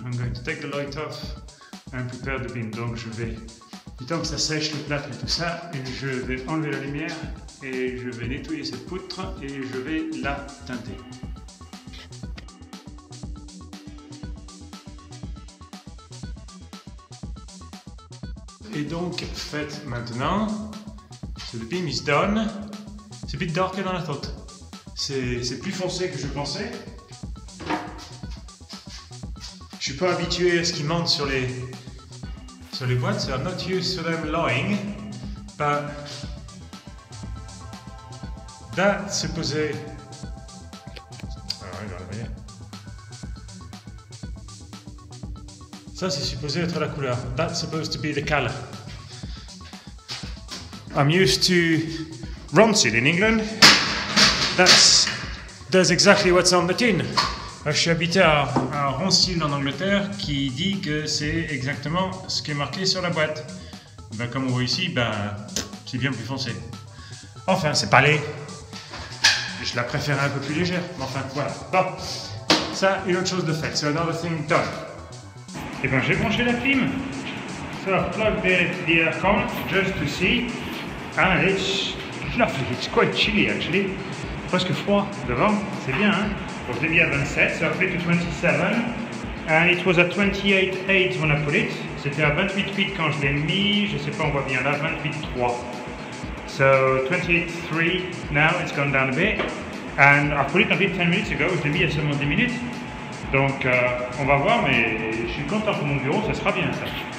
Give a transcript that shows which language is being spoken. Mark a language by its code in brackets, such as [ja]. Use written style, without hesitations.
[en] I'm going to take the light off and prepare the beam. [fr] Donc je vais, du temps que ça sèche le plâtre et tout ça, je vais enlever la lumière et je vais nettoyer cette poutre et je vais la teinter. Et donc, fait maintenant, [en] so the beam is done. [fr] C'est plus dark que dans la tente. C'est plus foncé que je pensais. Je suis pas habitué à ce qu'ils mentent sur les boîtes. [en] So I'm not used to them lying, but that's supposed. [fr] Alors, regarde la manière. Ça, c'est supposé être la couleur. [en] That's supposed to be the color. I'm used to rancid in England. That's exactly what's on the tin. [fr] Je suis habité à Rancid en Angleterre qui dit que c'est exactement ce qui est marqué sur la boîte. Ben, comme on voit ici, ben, c'est bien plus foncé. Enfin, c'est pas laid. Je la préfère un peu plus légère. Mais enfin, voilà. Bon, ça, une autre chose de fait. [en] So another thing done. [fr] Et ben, j'ai branché la clim. [en] So I've plugged the aircon just to see. And it's lovely, it's quite chilly actually. [fr] Presque froid devant, c'est bien hein. Donc j'ai mis à 27, [en] so I put it to 27. And it was at 28.8 when I put it. [fr] C'était à 28.8 quand je l'ai mis, je sais pas, on voit bien là, 28.3. [en] So 28.3, now it's gone down a bit. And I put it a bit 10 minutes ago, [fr] je l'ai mis à seulement 10 minutes. Donc on va voir, mais je suis content pour mon bureau, ça sera bien ça.